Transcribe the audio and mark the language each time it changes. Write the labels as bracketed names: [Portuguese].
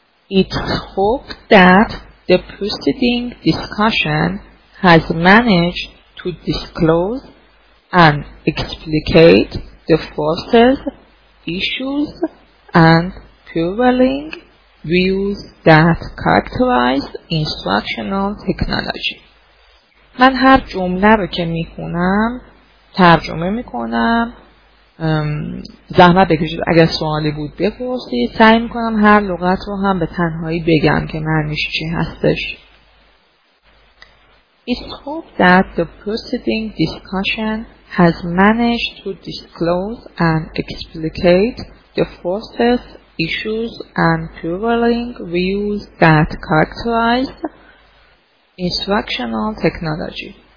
[English] It's hoped that the preceding discussion has managed to disclose and explicate the forces, issues, and prevailing views that characterize instructional technology. [Persian] من هر جمله رو که میخونم ترجمه میکنم. زحمت بکشید اگر سوالی بود بپرسید. سعی میکنم هر لغت رو هم به تنهایی بگم که معنیش چی هستش. [English] It's hoped that the preceding discussion has managed to disclose and explicate the forces, issues, and prevailing views that characterize instructional technology.